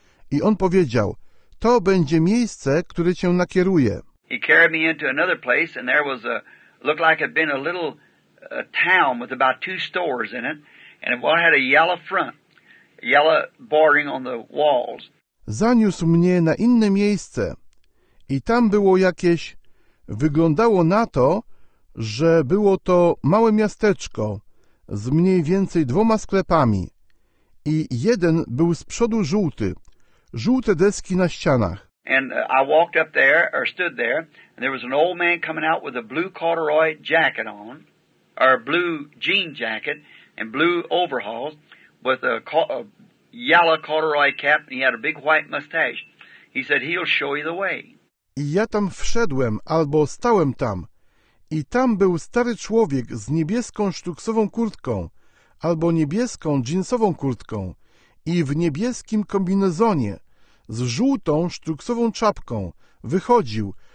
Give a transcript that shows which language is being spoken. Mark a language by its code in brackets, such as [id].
[pl] I on powiedział, to będzie miejsce, które cię nakieruje. [en] He carried me into another place, and there was a, looked like it had been a little town with about two stores in it, and it had a yellow front, yellow bordering on the walls. [pl] Zaniósł mnie na inne miejsce i tam było jakieś, wyglądało na to, że było to małe miasteczko z mniej więcej dwoma sklepami i jeden był z przodu żółty, żółte deski na ścianach. [en] And I walked up there, or stood there, and there was an old man coming out with a blue corduroy jacket on, or a blue jean jacket, and blue overalls, with a yellow corduroy cap, and he had a big white mustache. He said, he'll show you the way. [pl] I ja tam wszedłem, albo stałem tam, i tam był stary człowiek z niebieską sztuksową kurtką, albo niebieską jeansową kurtką, i w niebieskim kombinezonie, z żółtą sztuksową czapką. Wychodził.